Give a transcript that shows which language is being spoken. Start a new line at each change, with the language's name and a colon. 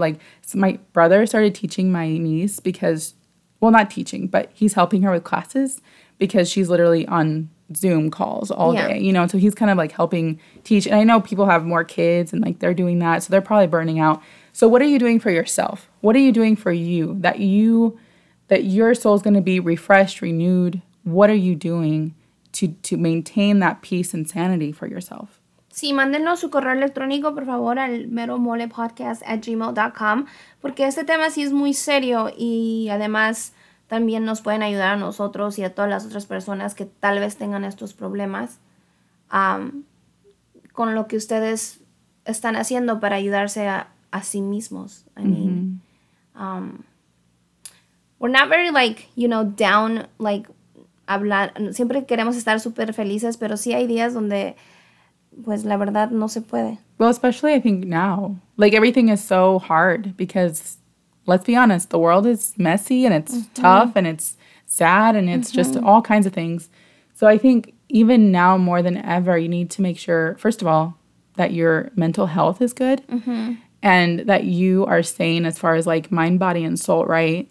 English: Like my brother started teaching my niece because, well, not teaching, but he's helping her with classes because she's literally on Zoom calls all day, you know, so he's kind of like helping teach. And I know people have more kids and like they're doing that, so they're probably burning out. So what are you doing for yourself? What are you doing for you that your soul is going to be refreshed, renewed? What are you doing to maintain that peace and sanity for yourself?
Spanish: Sí, mándenos su correo electrónico, por favor, al elmeromolepodcast@gmail.com, porque este tema sí es muy serio y además también nos pueden ayudar a nosotros y a todas las otras personas que tal vez tengan estos problemas con lo que ustedes están haciendo para ayudarse a sí mismos.
English: We're not very, like, you know, down, like,
Spanish: hablar. Siempre queremos estar súper felices, pero sí hay días donde, pues, la verdad, no se puede.
English: Well, especially, I think, now. Like, everything is so hard because, let's be honest, the world is messy and it's tough and it's sad and it's just all kinds of things. So I think even now more than ever, you need to make sure, first of all, that your mental health is good and that you are sane as far as like mind, body, and soul, right?